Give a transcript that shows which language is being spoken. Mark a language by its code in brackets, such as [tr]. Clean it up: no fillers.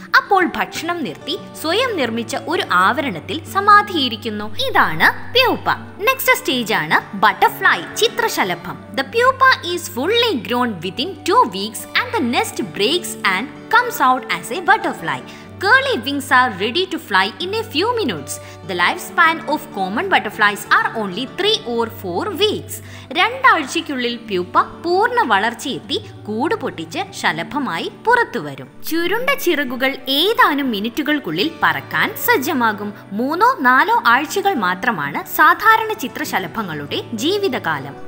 [ml] അപ്പോൾ ഭക്ഷണം നിർത്തി സ്വയം നിർമ്മിച്ച ഒരു ആവരണത്തിൽ സമാധിയിരിക്കുന്നു. ഇതാണ് പ്യൂപ്പ. [en] next stage [ml] ആണ് butterfly Chithrashalabham. [en] The pupa is fully grown within 2 weeks and the nest breaks and comes out as a butterfly. Curly wings are ready to fly in a few minutes. The lifespan of common butterflies are only 3 or 4 weeks. [ml] രണ്ടാഴ്ചയ്ക്കുള്ളിൽ pupa പൂർണ്ണ വളർച്ചയെത്തി കൂട് പൊട്ടിച്ച് ശലഭമായി പുറത്തുവരും. ചുരുണ്ട ചിറകുകൾ ഏതാനും മിനിറ്റുകൾക്കുള്ളിൽ പറക്കാൻ സജ്ജമാകും. 3-4 ആഴ്ചകൾ മാത്രമാണ് സാധാരണ ചിത്രശലഭങ്ങളുടെ ജീവിതകാലം.